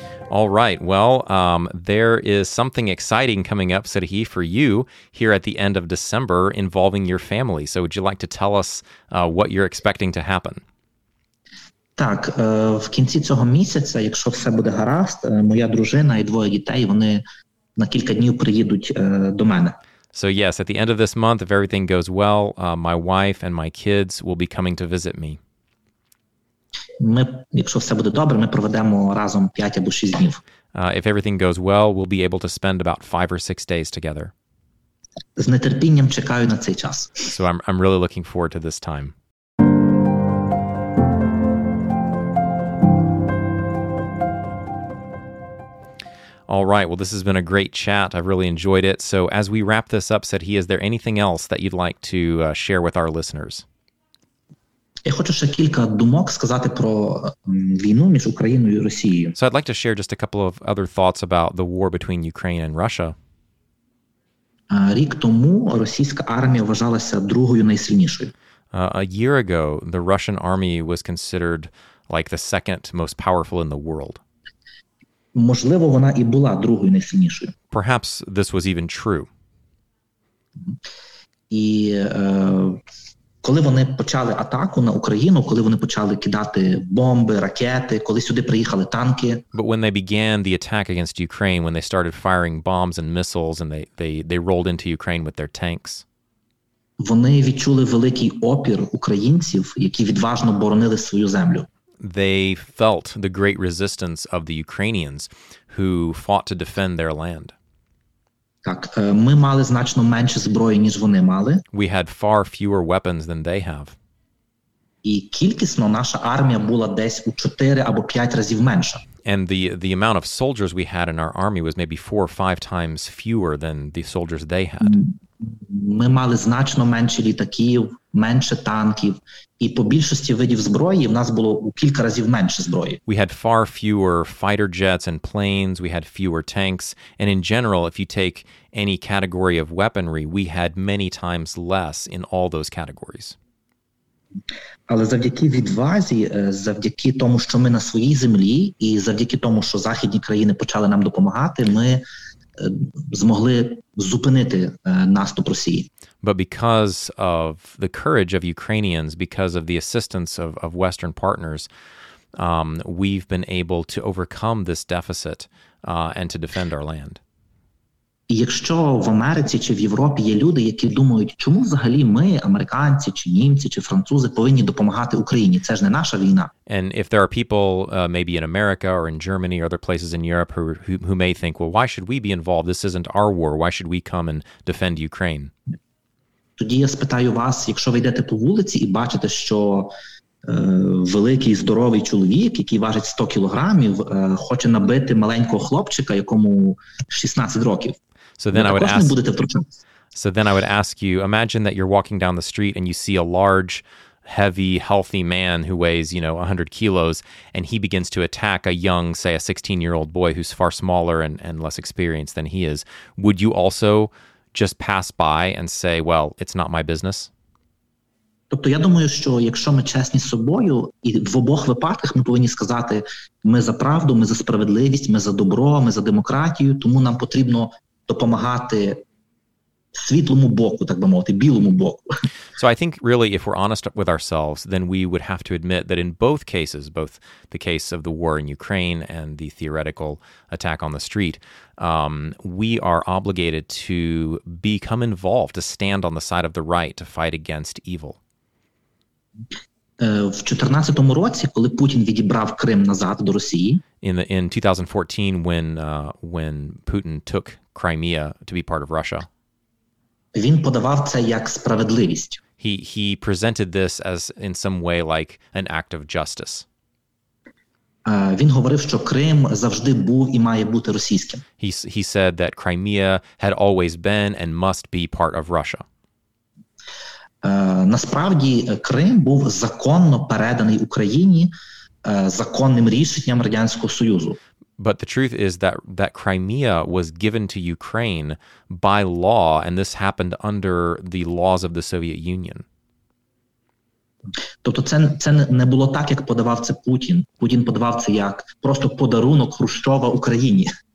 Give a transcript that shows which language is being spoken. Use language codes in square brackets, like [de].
[en] All right. Well, there is something exciting coming up, Serhii, for you here at the end of December involving your family. So would you like to tell us what you're expecting to happen? [uk] Так, в кінці цього місяця, якщо все буде гаразд, моя дружина і двоє дітей, вони на кілька днів приїдуть до мене. [en] So yes, at the end of this month, if everything goes well, my wife and my kids will be coming to visit me. [uk] Ми, якщо все буде добре, ми проведемо разом 5 або 6 днів. [en] If everything goes well, we'll be able to spend about 5 or 6 days together. [uk] З нетерпінням чекаю на цей час. [en] So I'm really looking forward to this time. All right. Well, this has been a great chat. I've really enjoyed it. So as we wrap this up, Serhii, is there anything else that you'd like to share with our listeners? [uk] Я хочу ще кілька думок сказати про війну між Україною і Росією. [en] So I'd like to share just a couple of other thoughts about the war between Ukraine and Russia. [uk] Рік тому російська армія вважалася другою найсильнішою. [en] A year ago, the Russian army was considered like the second most powerful in the world. [uk] Можливо, вона і була другою найсильнішою. [en] Perhaps this was even true. [uk] І коли вони почали атаку на Україну, коли вони почали кидати бомби, ракети, коли сюди приїхали танки. [en] But when they began the attack against Ukraine, when they started firing bombs and missiles and they rolled into Ukraine with their tanks. [uk] Вони відчули великий опір українців, які відважно боронили свою землю. [en] They felt the great resistance of the Ukrainians who fought to defend their land. [uk] Так, ми мали значно менше зброї, ніж вони мали. [en] We had far fewer weapons than they have. [uk] І кількісно наша армія була десь у 4 або 5 разів менша. [en] And the amount of soldiers we had in our army was maybe 4 or 5 times fewer than the soldiers they had. [uk] Ми мали значно менше літаків, менше танків, і по більшості видів зброї в нас було у кілька разів менше зброї. [en] We had far fewer fighter jets and planes, we had fewer tanks, and in general, if you take any category of weaponry, we had many times less in all those categories. [uk] Але завдяки відвазі, завдяки тому, що ми на своїй землі, і завдяки тому, що західні країни почали нам допомагати, ми змогли зупинити наступ Росії. [en] But because of the courage of Ukrainians, because of the assistance of Western partners, we've been able to overcome this deficit and to defend our land. [uk] Якщо в Америці чи в Європі є люди, які думають, чому взагалі ми, американці, чи німці, чи французи, повинні допомагати Україні? Це ж не наша війна. [en] And if there are people maybe in America or in Germany or other places in Europe who may think, well, why should we be involved? This isn't our war. Why should we come and defend Ukraine? [uk] Тоді я спитаю вас, якщо ви йдете по вулиці і бачите, що великий здоровий чоловік, який важить 100 кілограмів, хоче набити маленького хлопчика, якому 16 років. [en] So then I would ask you, imagine that you're walking down the street and you see a large, heavy, healthy man who weighs, 100 kilos, and he begins to attack a young, say, a 16-year-old boy who's far smaller and less experienced than he is. Would you also just pass by and say, well, it's not my business? [uk] Тобто я думаю, що якщо ми чесні з собою, і в обох випадках ми повинні сказати, ми за правду, ми за справедливість, ми за добро, ми за демократію, тому нам потрібно допомагати світлому боку, так би мовити, білому боку. [en] So I think really if we're honest with ourselves, then we would have to admit that in both cases, both the case of the war in Ukraine and the theoretical attack on the street, we are obligated to become involved, to stand on the side of the right, to fight against evil. [uk] В 14-му році, коли Путін відібрав Крим назад до Росії, [en] in 2014 when Putin took Crimea to be part of Russia. [uk] Він подавав це як справедливість. [en] He presented this as in some way like an act of justice. [uk] Він говорив, що Крим завжди був і має бути російським. [en] He said that Crimea had always been and must be part of Russia. [uk] Насправді Крим був законно переданий Україні законним рішенням Радянського Союзу. [en] But the truth is that Crimea was given to Ukraine by law, and this happened under the laws of the Soviet Union. [uk] Тобто це не було так, як подавав це Путін. Путін подавав це як просто подарунок Хрущова Україні.